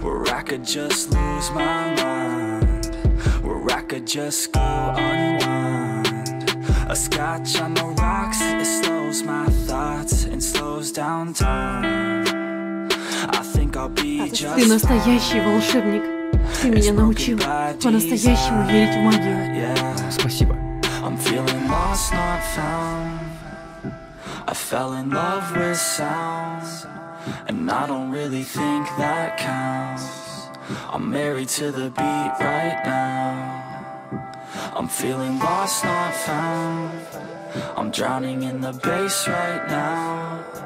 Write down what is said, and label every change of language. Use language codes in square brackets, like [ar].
[en] I could just lose my mind, where I could just go unwind. A scotch on the rocks, it slows my thoughts and slows down time. I think I'll be just fine. [ru] Ты настоящий волшебник. Ты меня научил по-настоящему верить в магию. Спасибо. [en] I'm feeling lost, not found. I fell in love with sounds, and I don't really think that counts. I'm married to the beat right now. I'm feeling lost, not found. I'm drowning in the bass right now.